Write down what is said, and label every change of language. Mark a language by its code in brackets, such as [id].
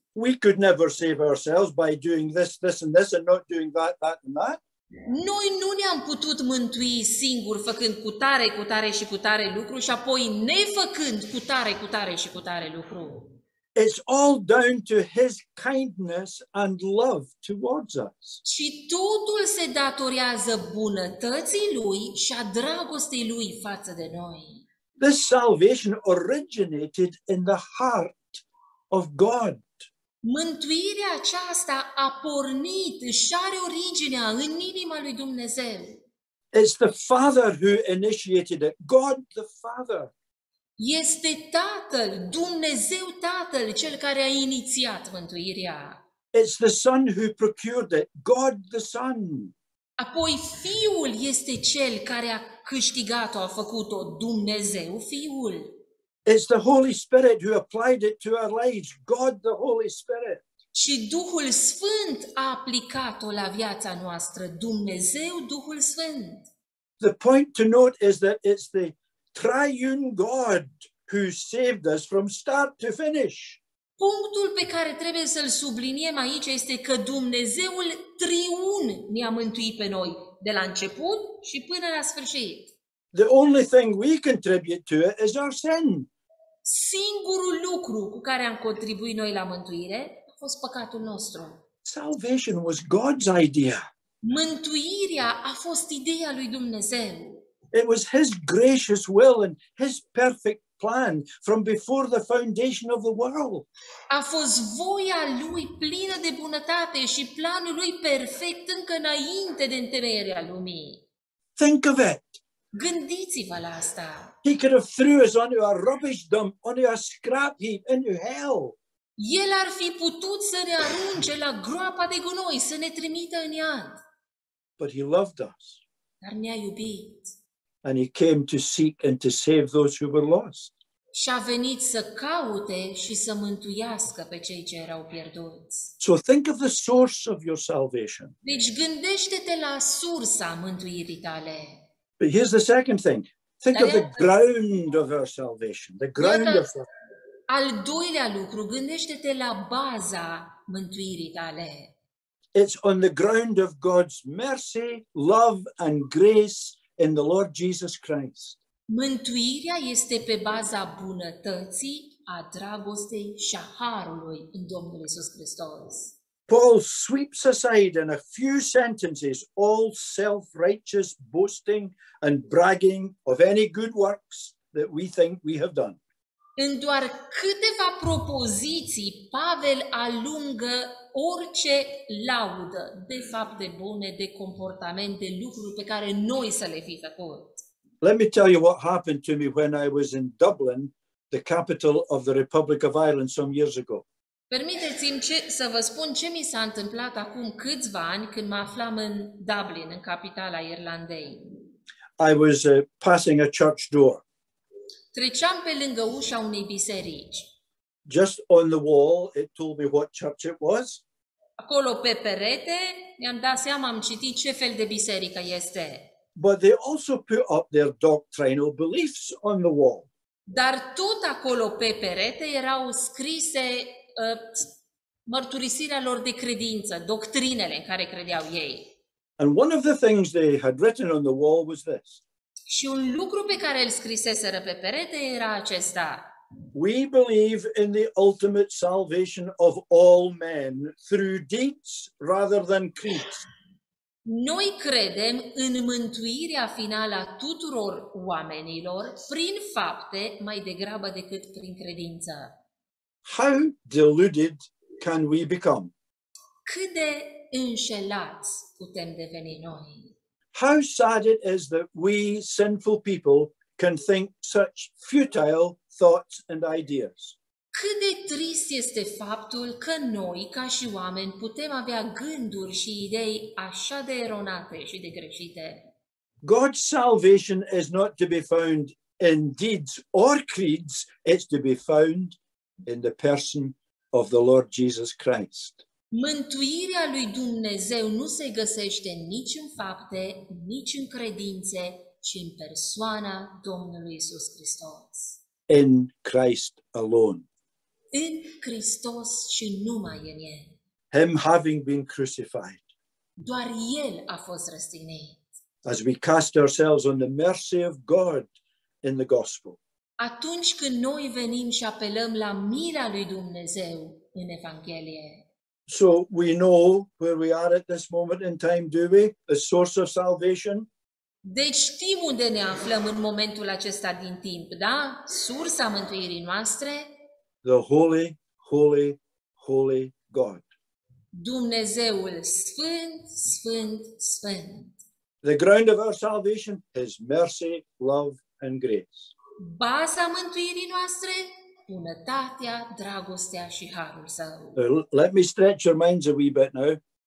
[en] We could never save ourselves by doing this, this and this and not doing that, that and that. [ro] Noi nu ne-am putut mântui singur făcând cu tare, cu tare și cu tare lucru și apoi nefăcând cu tare, cu tare și cu tare lucru. [en] It's all down to his kindness and love towards us. [ro] Și totul se datorează bunătății lui și a dragostei lui față de noi. [en] This salvation originated in the heart of God. [ro] Mântuirea aceasta a pornit și are originea în inima lui Dumnezeu. [en] It's the Father who initiated it. God the Father. [ro] Este Tatăl, Dumnezeu Tatăl, cel care a inițiat mântuirea. [en] It's the Son who procured it, God the Son. [ro] Apoi Fiul este cel care a câștigat-o, a făcut-o, Dumnezeu Fiul. [en] It's the Holy Spirit who applied it to our lives, God the Holy Spirit. [ro] Și Duhul Sfânt a aplicat-o la viața noastră, Dumnezeu Duhul Sfânt. [en] The point to note is that it's the Triune God who saved us from start to finish. [ro] Punctul pe care trebuie să-l subliniem aici este că Dumnezeul triun ne-a mântuit pe noi de la început și până la sfârșit. [en] The only thing we contribute to it is our sin. [ro] Singurul lucru cu care am contribuit noi la mântuire a fost păcatul nostru. [en] Salvation was God's idea. [ro] Mântuirea a fost ideea lui Dumnezeu. [en] It was his gracious will and his perfect plan from before the foundation of the world. [ro] A fost voia lui plină de bunătate și planul lui perfect încă înainte de întemeierea lumii. [en] Think of it. [ro] Gândiți-vă la asta. [en] He could have threw us onto a rubbish dump, onto a scrap heap, into hell. [ro] El ar fi putut să ne arunce la groapa de gunoi, să ne trimită în iad. [en] But he loved us. [ro] Dar ne-a iubit. [en] And he came to seek and to save those who were lost. [ro] Și a venit să caute și să mântuiască pe cei ce erau pierduți. [en] So think of the source of your salvation. [ro] Deci gândește-te la sursa mântuirii tale. [en] But here's the second thing. Think of the ground of our salvation. The ground of our... [ro] Al doilea lucru, gândește-te la baza mântuirii tale. [en] It's on the ground of God's mercy, love and grace in the Lord Jesus Christ. [ro] Mântuirea este pe baza bunătății, a dragostei și a harului în Domnul Iisus Hristos. [en] Paul sweeps aside in a few sentences all self-righteous boasting and bragging of any good works that we think we have done. [ro] În doar câteva propoziții, Pavel alungă orice laudă de fapte bune, de comportamente, lucruri pe care noi să le fi făcut. [en] Let me tell you what happened to me when I was in Dublin, the capital of the Republic of Ireland, some years ago. [ro] Permiteți-mi să vă spun ce mi s-a întâmplat acum câțiva ani când mă aflam în Dublin, în capitala Irlandei. [en] I was passing a church door. [ro] Treceam pe lângă ușa unei biserici. [en] Just on the wall, it told me what church it was. [ro] Acolo pe perete, mi-am dat seama, am citit ce fel de biserică este. [en] But they also put up their doctrinal beliefs on the wall. [ro] Dar tot acolo pe perete erau scrise mărturisirea lor de credință, doctrinele în care credeau ei. [en] And one of the things they had written on the wall was this. [ro] Și un lucru pe care îl scriseseră pe perete era acesta. [en] We believe in the ultimate salvation of all men through deeds rather than creeds. [ro] Noi credem în mântuirea finală a tuturor oamenilor prin fapte mai degrabă decât prin credință. [en] How deluded can we become? [ro] Cât de înșelați putem deveni noi? [en] How sad it is that we sinful people can think such futile thoughts and ideas. [ro] Cât de trist este faptul că noi, ca și oameni, putem avea gânduri și idei așa de eronate și de greșite. [en] God's salvation is not to be found in deeds or creeds, it's to be found in the person of the Lord Jesus Christ. [ro] Mântuirea lui Dumnezeu nu se găsește nici în fapte, nici în credințe, ci în persoana Domnului Iisus Hristos. [en] In Christ alone. [ro] În Hristos și numai în El. [en] Him having been crucified. [ro] Doar El a fost răstignit. [en] As we cast ourselves on the mercy of God in the gospel. [ro] Atunci când noi venim și apelăm la mila lui Dumnezeu în Evanghelie. [en] So we know where we are at this moment in time, do we? A source of salvation? [ro] Deci știm unde ne aflăm în momentul acesta din timp, da? Sursa mântuirii noastre? [en] The holy, holy, holy God. [ro] Dumnezeul sfânt, sfânt, sfânt. [en] The ground of our salvation is mercy, love and grace. [ro] Baza mântuirii noastre? Bunătatea, dragostea și harul său. [en] Let me stretch your minds a wee bit now.